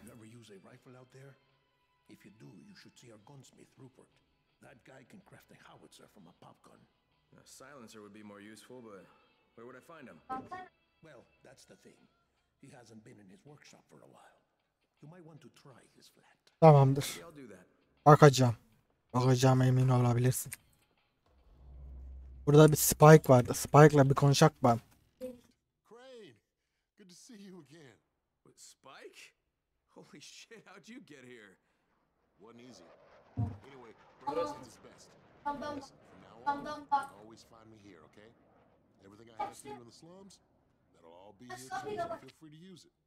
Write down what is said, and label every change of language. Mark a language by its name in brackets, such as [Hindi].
[English] You ever use a rifle out there? If you do, you should see our gunsmith Rupert. That guy can craft a howitzer from a popgun. A silencer would be more useful, but where would I find him? Well, that's the thing. He hasn't been in his workshop for a while. You might want to try his flat. [Turkish] Tamamdır. Bakacağım. Bakacağım, emin olabilirsin. Burada bir Spike vardı. Spike'la bir konuşak ben. [English] Crane. Good to see you again. But Spike? Holy shit, how'd you get here? Wasn't easy. Anyway, Brothers is best. Always find me here, okay? Everything I have seen in the slums, that'll all be here soon, so feel free to use it.